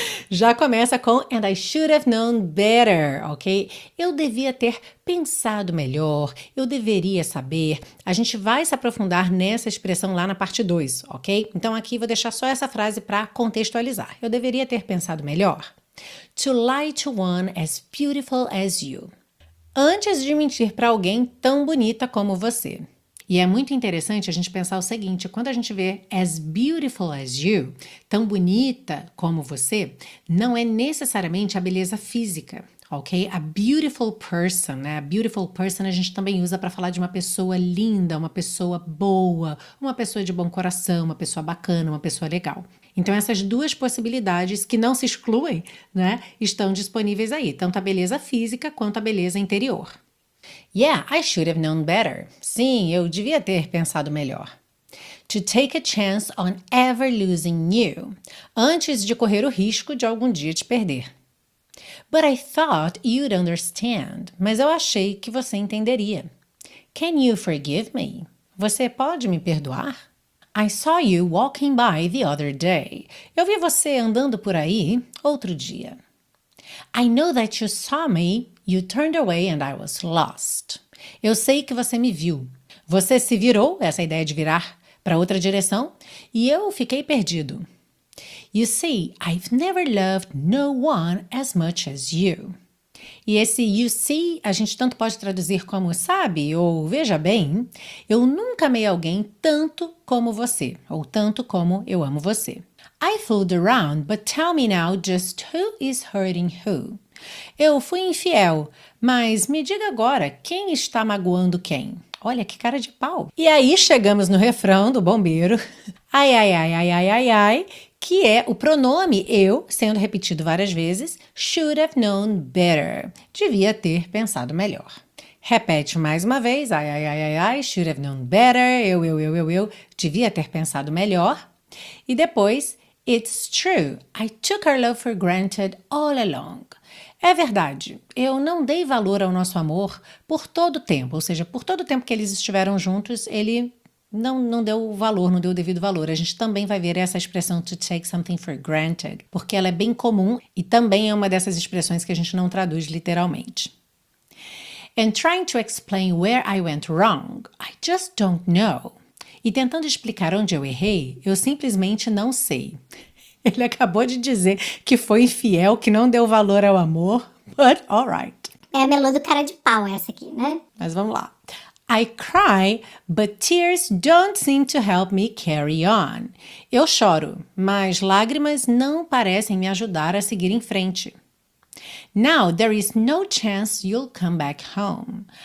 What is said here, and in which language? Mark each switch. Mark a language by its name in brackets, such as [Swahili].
[Portuguese] Já começa com [English] And I should have known better, ok? [Portuguese] Eu devia ter pensado melhor, eu deveria saber. A gente vai se aprofundar nessa expressão lá na parte 2, ok? Então aqui vou deixar só essa frase para contextualizar. Eu deveria ter pensado melhor. [English] To lie to one as beautiful as you. [Portuguese] Antes de mentir para alguém tão bonita como você. E é muito interessante a gente pensar o seguinte: quando a gente vê [English] as beautiful as you, [Portuguese] tão bonita como você, não é necessariamente a beleza física, ok? [English] A beautiful person, [Portuguese] né? A beautiful person a gente também usa para falar de uma pessoa linda, uma pessoa boa, uma pessoa de bom coração, uma pessoa bacana, uma pessoa legal. Então, essas duas possibilidades, que não se excluem, né, estão disponíveis aí, tanto a beleza física quanto a beleza interior. [English] Yeah, I should have known better. [Portuguese] Sim, eu devia ter pensado melhor. [English] To take a chance on ever losing you. [Portuguese] Antes de correr o risco de algum dia te perder. [English] But I thought you'd understand. [Portuguese] Mas eu achei que você entenderia. [English] Can you forgive me? [Portuguese] Você pode me perdoar? [English] I saw you walking by the other day. [Portuguese] Eu vi você andando por aí outro dia. [English] I know that you saw me. You turned away and I was lost. [Portuguese] Eu sei que você me viu. Você se virou, essa ideia de virar para outra direção, e eu fiquei perdido. [English] You see, I've never loved no one as much as you. [Portuguese] E esse [English] you see, [Portuguese] a gente tanto pode traduzir como sabe ou veja bem, eu nunca amei alguém tanto como você, ou tanto como eu amo você. [English] I fooled around, but tell me now just who is hurting who? [Portuguese] Eu fui infiel, mas me diga agora quem está magoando quem? Olha que cara de pau. E aí chegamos no refrão do bombeiro. Ai, ai, ai, ai, ai, ai, ai, que é o pronome eu sendo repetido várias vezes. [English] Should have known better. [Portuguese] Devia ter pensado melhor. Repete mais uma vez. [English] Ai, ai, ai, ai, ai, should have known better. [Portuguese] Eu, devia ter pensado melhor. E depois, [English] it's true. I took our love for granted all along. [Portuguese] É verdade, eu não dei valor ao nosso amor por todo o tempo, ou seja, por todo o tempo que eles estiveram juntos, ele não deu valor, não deu o devido valor. A gente também vai ver essa expressão [English] to take something for granted, [Portuguese] porque ela é bem comum e também é uma dessas expressões que a gente não traduz literalmente. [English] And trying to explain where I went wrong, I just don't know. [Portuguese] E tentando explicar onde eu errei, eu simplesmente não sei. Ele acabou de dizer que foi infiel, que não deu valor ao amor. [English] But all right. [Portuguese] É a melô do cara de pau essa aqui, né? Mas vamos lá. [English] I cry, but tears don't seem to help me carry on. [Portuguese] Eu choro, mas lágrimas não parecem me ajudar a seguir em frente. [English] Now there is no chance you'll come back home.